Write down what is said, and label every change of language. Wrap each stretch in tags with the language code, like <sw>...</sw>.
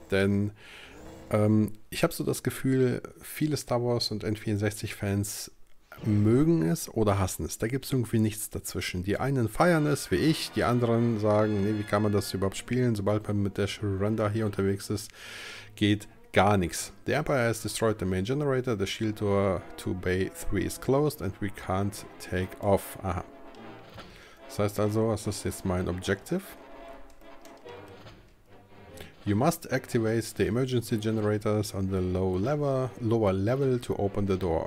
<de>Denn ich habe so das Gefühl, viele Star Wars und N64-Fans mögen es oder hassen es. Da gibt es irgendwie nichts dazwischen. Die einen feiern es, wie ich. Die anderen sagen, nee, wie kann man das überhaupt spielen? Sobald man mit Dash Render hier unterwegs ist, geht gar nichts.</de> <en>The Empire has destroyed the main generator. The shield door to Bay 3 is closed and we can't take off. Aha.</en> <de>Das heißt also, was ist jetzt mein</de> <en>Objective? You must activate the emergency generators on the lower level to open the door.</en>